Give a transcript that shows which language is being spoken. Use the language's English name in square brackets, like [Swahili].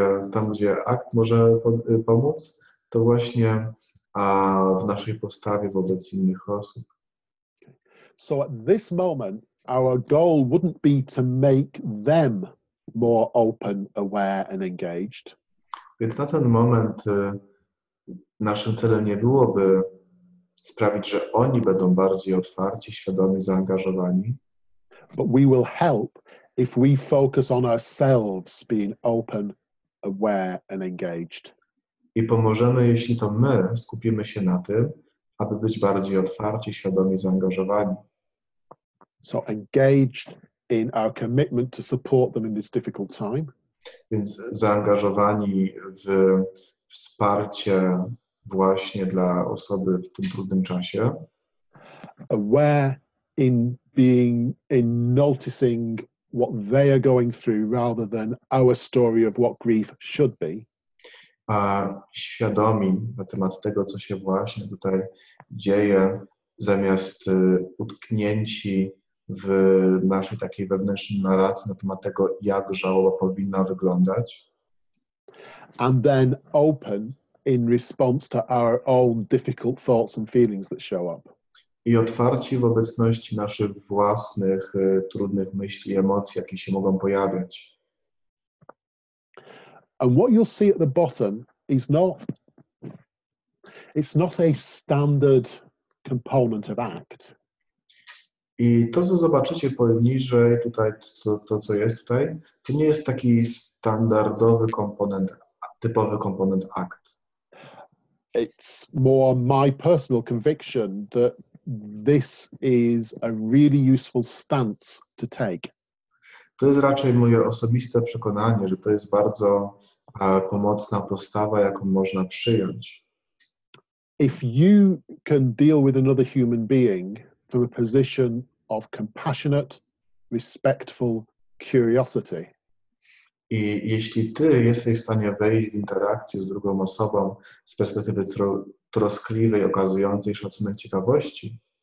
[Polish] Tam, gdzie ACT może pomóc, to właśnie w naszej postawie wobec innych osób. [English] So at this moment, our goal wouldn't be to make them more open, aware and engaged. [Polish] Więc na ten moment naszym celem nie byłoby sprawić, że oni będą bardziej otwarci, świadomi, zaangażowani. [English] But we will help if we focus on ourselves being open, aware and engaged. [Polish] I pomożemy, jeśli to my skupimy się na tym, aby być bardziej otwarci, świadomi, zaangażowani. [English] So engaged in our commitment to support them in this difficult time. [Polish] Więc zaangażowani w wsparcie właśnie dla osoby w tym trudnym czasie. [English] Aware in noticing what they are going through rather than our story of what grief should be. [Polish] A świadomi na temat tego, co się właśnie tutaj dzieje, zamiast utknięci w naszej takiej wewnętrznej narracji na temat tego, jak żałoba powinna wyglądać. [English] And then open in response to our own difficult thoughts and feelings that show up. [Polish] I otwarci w obecności naszych własnych trudnych myśli i emocji, jakie się mogą pojawiać. [English] And what you'll see at the bottom is not a standard component of ACT. [Polish] I to, co zobaczycie poniżej tutaj, to co jest tutaj, to nie jest taki standardowy komponent, typowy komponent ACT. [English] It's more my personal conviction that this is a really useful stance to take. [Polish] To jest raczej moje osobiste przekonanie, że to jest bardzo pomocna postawa, jaką można przyjąć. [English] If you can deal with another human being from a position of compassionate, respectful curiosity. [Polish] I jeśli ty jesteś w stanie wejść w interakcję z drugą osobą z perspektywy troskliwej, okazującej szacunek ciekawości,